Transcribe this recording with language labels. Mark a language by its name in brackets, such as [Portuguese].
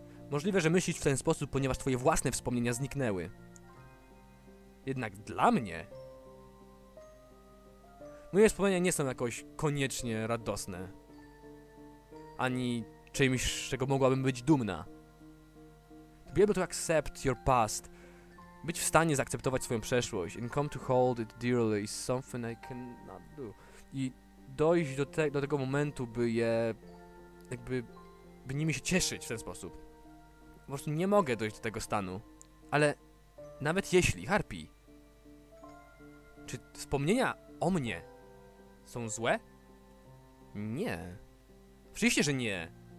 [Polish] Możliwe, że myślisz w ten sposób, ponieważ twoje własne wspomnienia zniknęły. Jednak dla mnie... Moje wspomnienia nie są jakoś koniecznie radosne. Ani czymś, z czego mogłabym być dumna. [English] To be able to accept your past. [Polish] Być w stanie zaakceptować swoją przeszłość. [English] And come to hold it dearly is something I cannot do. [Polish] I dojść do tego momentu, by je... by nimi się cieszyć w ten sposób. Po prostu nie mogę dojść do tego stanu. Ale nawet jeśli, Harpy, czy wspomnienia o mnie są złe? Nie. Oczywiście, że nie.